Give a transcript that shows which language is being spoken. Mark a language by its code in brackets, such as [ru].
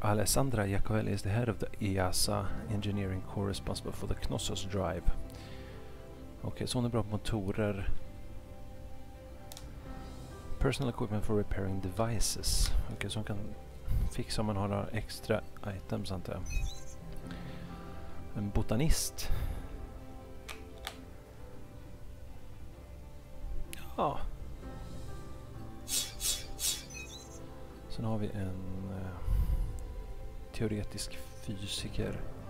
[en] Alessandra Iacovelli is the head of the EASA Engineering Corps responsible for the Knossos Drive. [sv] Okej, så hon är bra på motorer. [en] Personal equipment for repairing devices. [sv] Okej, så hon kan fixa om man har några extra items, antar jag. En botanist. Ja. [en] Oh. [sv] Sen har vi en teoretisk fysiker.